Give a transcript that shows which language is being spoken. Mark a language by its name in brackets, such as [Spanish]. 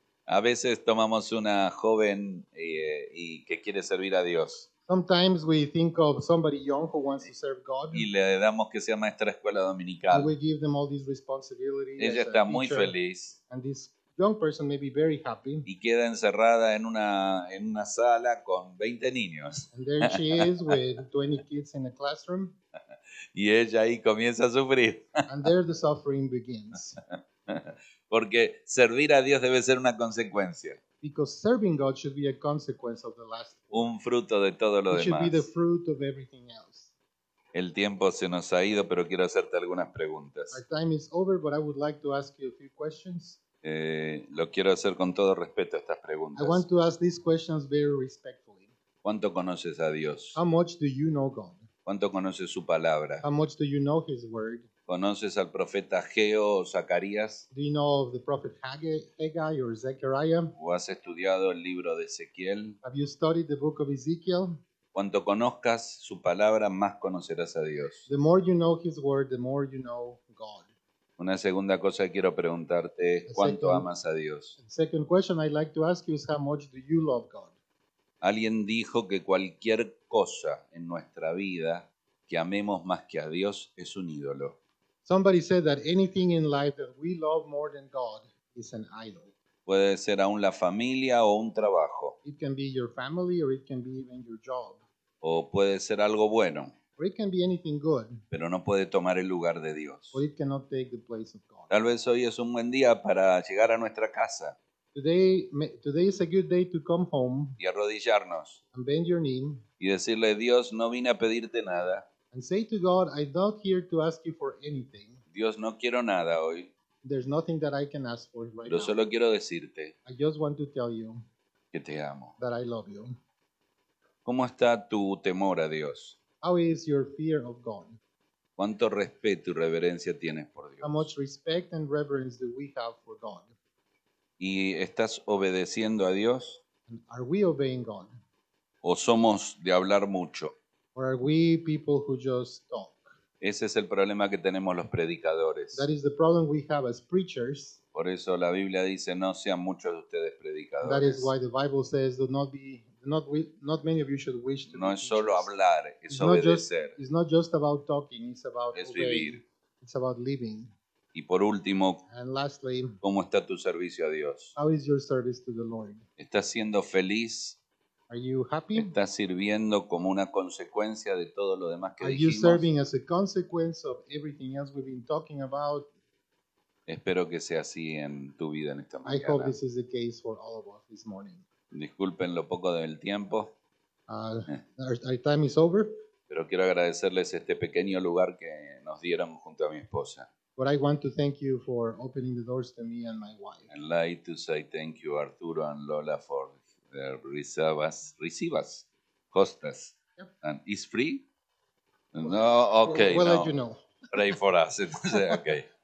[Spanish] A veces tomamos una joven y que quiere servir a Dios. [English] Sometimes we think of somebody young who wants to serve God. [Spanish] Y le damos que sea maestra de escuela dominical. [English] We give them all these responsibilities. [Spanish] Ella está muy feliz. [English] And this young person may be very happy. [Spanish] Y queda encerrada en una sala con 20 niños. [English] And there she is with 20 kids in a classroom. [Spanish] Y ella ahí comienza a sufrir. [English] And there the suffering begins. [Spanish] Porque servir a Dios debe ser una consecuencia. [English] Because serving God should be a consequence of the last. [Spanish] Un fruto de todo lo [English] it [Spanish] demás. [English] Should be the fruit of everything else. [Spanish] El tiempo se nos ha ido, pero quiero hacerte algunas preguntas. [English] Our time is over, but I would like to ask you a few questions. [Spanish] Lo quiero hacer con todo respeto a estas preguntas. [English] I want to ask these questions very respectfully. [Spanish] ¿Cuánto conoces a Dios? [English] How much do you know God? [Spanish] ¿Cuánto conoces su palabra? [English] How much do you know His word? [Spanish] ¿Conoces al profeta Geo o Zacarías? [English] Do you know of the prophet Haggai or Zechariah? [Spanish] ¿O has estudiado el libro de Ezequiel? [English] Have you studied the book of Ezekiel? [Spanish] Cuanto conozcas su palabra, más conocerás a Dios. [English] The more you know his word, the more you know God. [Spanish] Una segunda cosa que quiero preguntarte es ¿cuánto amas a Dios? [English] The second question I'd like to ask you is how much do you love God? [Spanish] Alguien dijo que cualquier cosa en nuestra vida que amemos más que a Dios es un ídolo. [English] Somebody said that anything in life that we love more than God is an idol. [Spanish] Puede ser aún la familia o un trabajo. [English] It can be your family or it can be even your job. [Spanish] O puede ser algo bueno. [English] Or it can be anything good. [Spanish] Pero no puede tomar el lugar de Dios. [English] Or it cannot take the place of God. [Spanish] Tal vez hoy es un buen día para llegar a nuestra casa. [English] Today is a good day to come home. [Spanish] Y arrodillarnos. [English] And bend your knee. [Spanish] Y decirle, Dios, no vine a pedirte nada. [English] And say to God, I'm not here to ask you for anything. [Spanish] Dios, no quiero nada hoy. [English] There's nothing that I can ask for right [Spanish] Lo solo [English] now. [Spanish] Quiero decirte. [English] I just want to tell you. [Spanish] Que te amo. [English] That I love you. [Spanish] ¿Cómo está tu temor a Dios? [English] How is your fear of God? [Spanish] ¿Cuánto respeto y reverencia tienes por Dios? [English] How much respect and reverence do we have for God? [Spanish] ¿Y estás obedeciendo a Dios? [English] And are we obeying God? [Spanish] ¿O somos de hablar mucho? [English] Or are we people who just talk? [Spanish] Ese es el problema que tenemos los predicadores. [English] That is the problem we have as preachers. [Spanish] Por eso la Biblia dice, no sean muchos de ustedes predicadores. [English] That is why the Bible says, not many of you should wish to [Spanish] no No es solo hablar, es obedecer. [English] It's not just about talking, it's about [Spanish] es vivir. [English] It's about living. [Spanish] Y por último, [English] and lastly, [Spanish] ¿cómo está tu servicio a Dios? [English] How is your service to the Lord? [Spanish] ¿Estás siendo feliz? [English] Are you happy? [Spanish] ¿Estás sirviendo como una consecuencia de todo lo demás que [English] Are [Spanish] dijimos? [English] Are you serving as a consequence of everything else we've been talking about? [Spanish] Espero que sea así en tu vida en esta mañana. [English] I hope this is the case for all of us this morning. [Spanish] Disculpen lo poco del tiempo. [English] Our time is over. [Spanish] Pero quiero agradecerles este pequeño lugar que nos dieron junto a mi esposa. [English] But I want to thank you for opening the doors to me and my wife. I'd like to say thank you, Arturo and Lola, for Recibas, hostas. Yep. And it's free? No, okay. Well, no. Let you know. Pray for us. Okay.